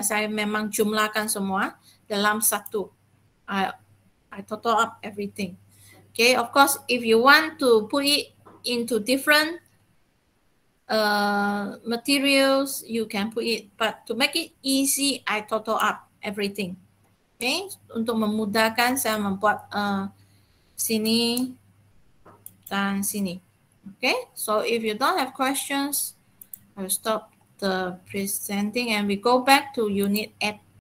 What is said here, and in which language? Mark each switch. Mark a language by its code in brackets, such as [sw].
[ms] Saya memang jumlahkan semua dalam satu. [en] I total up everything. Okay, of course, if you want to put it into different materials, you can put it, but to make it easy, I total up everything. [ms] Okay, untuk memudahkan, saya membuat sini dan sini. [en] Okay, so if you don't have questions, I'll stop the presenting and we go back to unit 8.